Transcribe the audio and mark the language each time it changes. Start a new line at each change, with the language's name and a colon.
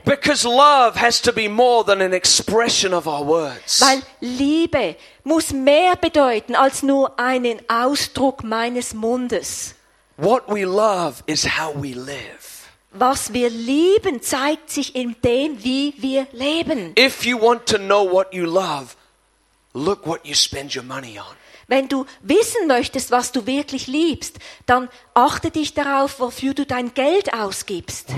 English: Because love has to be more than an expression of our words.
German: Weil Liebe muss mehr bedeuten als nur einen Ausdruck meines Mundes.
English: What we love is how we live.
German: Was wir lieben, zeigt sich in dem, wie wir leben.
English: If you want to know what you love, look what you spend your money on.
German: Wenn du wissen möchtest, was du wirklich liebst, dann achte dich darauf, wofür du dein Geld ausgibst.